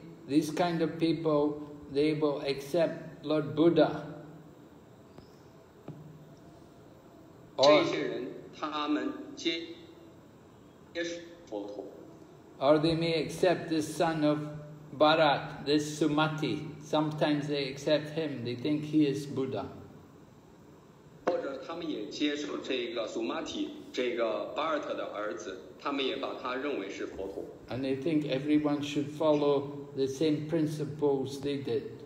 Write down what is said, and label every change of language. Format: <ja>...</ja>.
<en>These kind of people, they will accept Lord Buddha.</en> <zh>这些人，他们接佛陀。</zh> <en>Or they may accept this son of Bharat, this Sumati. Sometimes they accept him. They think he is Buddha.</en> <zh>或者他们也接受这个Sumati，这个Bharat的儿子，他们也把他认为是佛陀。</zh> <en>And they think everyone should follow the same principles they did.</en>